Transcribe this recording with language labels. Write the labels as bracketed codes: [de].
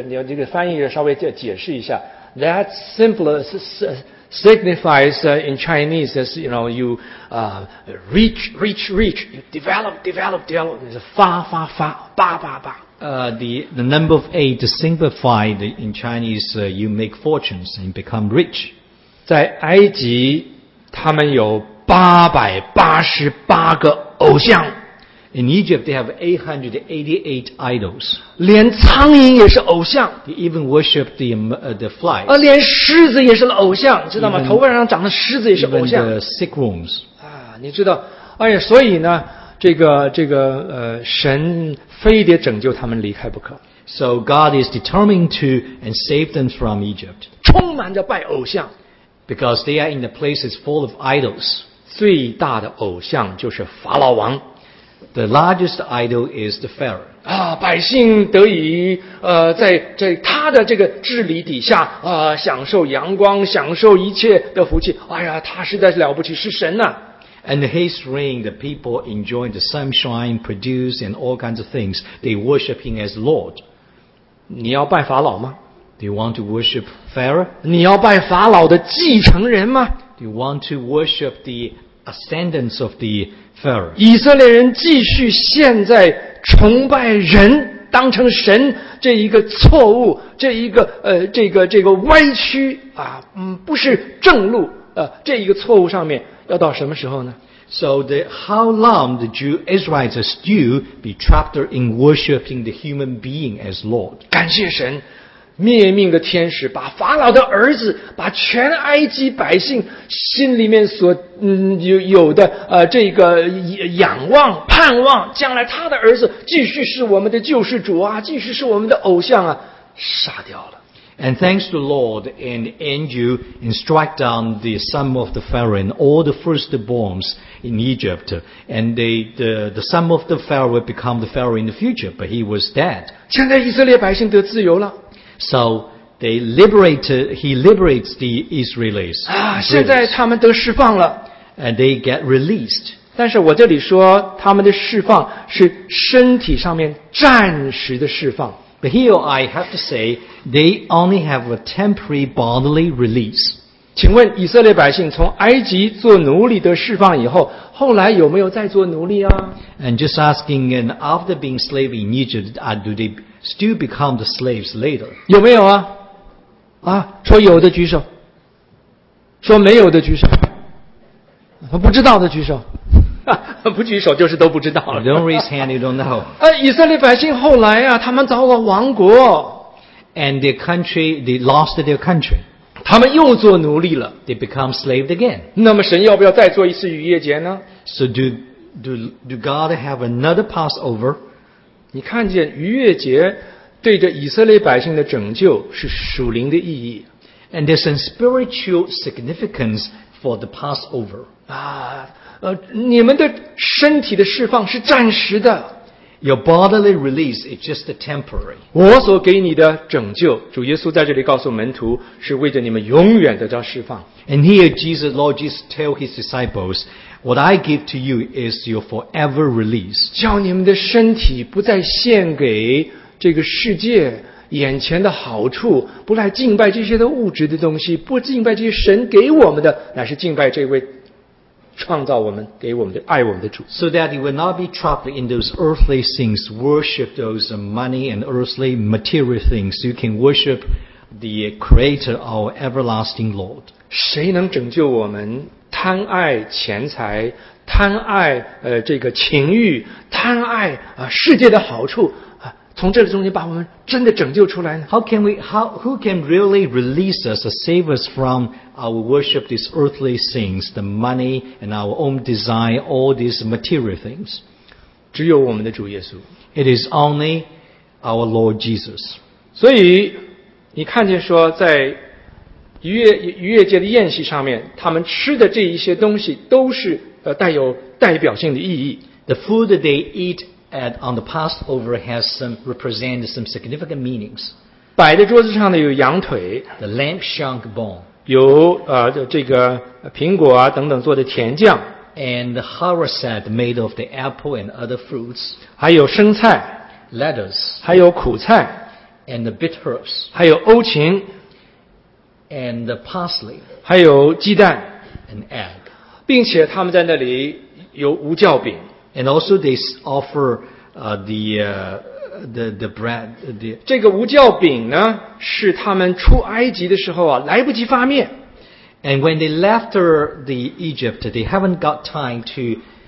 [zh] 这个翻译稍微解释一下。 [en] That simply signifies in Chinese as you know you reach, you develop, is [zh] 发发发，八八八。 [en] The number of eight signified in Chinese you make fortunes and become rich. [zh] 在埃及，他们有888个偶像。 [en] In Egypt, they have 888 idols. [zh] 连苍蝇也是偶像。 [en] They even worship the flies. [zh] 连狮子也是偶像，知道吗？头发上长的狮子也是偶像。 [en] Even the sick rooms. [zh] 你知道，所以呢，这个神非得拯救他们离开不可。 [en] So God is determined to and save them from Egypt. [zh] 充满着拜偶像。 [en] Because they are in the places full of idols. [zh] 最大的偶像就是法老王。 [en] The largest idol is the Pharaoh. [zh] 百姓得以在他的这个治理底下享受阳光，享受一切的福气。哎呀，他实在是了不起，是神呐。 [en] And his reign, the people enjoy the sunshine, produce, and all kinds of things. They worship him as Lord. [zh] 你要拜法老吗？ [en] Do you want to worship Pharaoh? [zh] 你要拜法老的继承人吗? [en] Do you want to worship the ascendants of the Pharaoh? [zh] 以色列人继续现在崇拜人当成神这一个错误这一个这个歪曲啊不是正路这一个错误上面要到什么时候呢? [en] So how long the Jew Israelites still be trapped in worshiping the human being as Lord? [zh] 感谢神灭命的天使把法老的儿子把全埃及百姓心里面所有的这个仰望盼望将来他的儿子继续是我们的救世主啊继续是我们的偶像啊杀掉了。 [en] And thanks to the Lord and angel and strike down the son of the Pharaoh and all the firstborns in Egypt. And the son of the Pharaoh would become the Pharaoh in the future, but he was dead. [zh] 现在以色列百姓得自由了。 [en] So they he liberates the Israelis. [zh] 啊，现在他们得释放了。 [en] And they get released. [zh] 但是我这里说他们的释放是身体上面暂时的释放。 [en] But here I have to say, they only have a temporary bodily release. [zh] 请问以色列百姓从埃及做奴隶的释放以后，后来有没有再做奴隶啊？ [en] And just asking, and after being slaves in Egypt, do they still become the slaves later? [zh] 有没有啊？啊，说有的举手。说没有的举手。不知道的举手。不举手就是都不知道了。 [en] Don't raise hand, you don't know. [zh] 以色列百姓后来啊，他们遭了亡国。 [en] And their country, they lost their country. [zh] 他们又做奴隶了。 [en] They become slaves again. [zh] 那么神要不要再做一次逾越节呢？ [en] So do God have another Passover? [zh] 你看见逾越节对着以色列百姓的拯救是属灵的意义。 [en] And there's a spiritual significance for the Passover. [zh] 啊你们的身体的释放是暂时的。 [en] Your bodily release is just temporary. [zh] 我所给你的拯救，主耶稣在这里告诉门徒，是为着你们永远得到释放。 [en] And here Jesus, Lord Jesus tell his disciples, what I give to you is your forever release. [zh] 叫你们的身体不再献给这个世界眼前的好处，不再敬拜这些的物质的东西，不敬拜这些神给我们的，乃是敬拜这位创造我们给我们的爱我们的主。 [en] So that you will not be trapped in those earthly things, worship those money and earthly material things. You can worship the creator, our everlasting Lord. [zh] 谁能拯救我们贪爱钱财，贪爱这个情欲，贪爱世界的好处，从这中间把我们真的拯救出来呢？ [en] Who can really release us or save us from our worship these earthly things, the money and our own desire, all these material things? [zh] 只有我们的主耶稣。 [en] It is only our Lord Jesus. [zh] 所以你看见说在逾越节的宴席上面，他们吃的这一些东西都是带有代表性的意义。 [en] The food that they eatAnd on the Passover has some represent some significant meanings. [zh] 摆在桌子上的有羊腿 [en] ，the lamb shank bone， [zh] 有这个苹果啊等等做的甜酱 [en] ，and the haversack made of the apple and other fruits， [zh] 还有生菜 [en] ，lettuce， [zh] 还有苦菜 [en] ，and the bitter herbs， [zh] 还有欧芹 [en] ，and the parsley， [zh] 还有鸡蛋 [en] ，an egg， [zh] 并且他们在那里有无酵饼。 [en] And also they offer the bread. [zh] 这个无酵饼呢，是他们出埃及的时候啊，来不及发面。 [en] And when they left the Egypt, they haven't got time to